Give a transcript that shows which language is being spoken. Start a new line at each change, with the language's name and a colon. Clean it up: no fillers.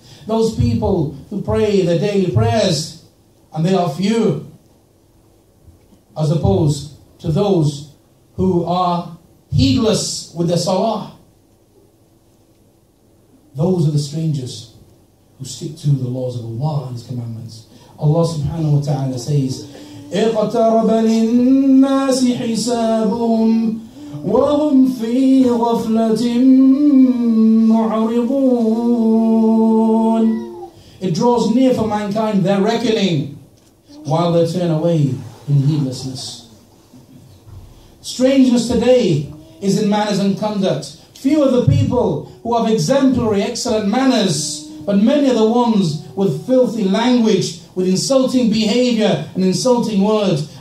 English: Those people who pray the daily prayers, and they are few, as opposed to those who are heedless with the salah. Those are the strangers who stick to the laws of Allah and His commandments. Allah subhanahu wa ta'ala says,
Arabic: اقترب للناس حسابهم وهم في غفلة معرضون.
English: It draws near for mankind their reckoning while they turn away in heedlessness. Strangeness today is in manners and conduct. Few are the people who have exemplary, excellent manners, but many are the ones with filthy language, with insulting behavior and insulting words.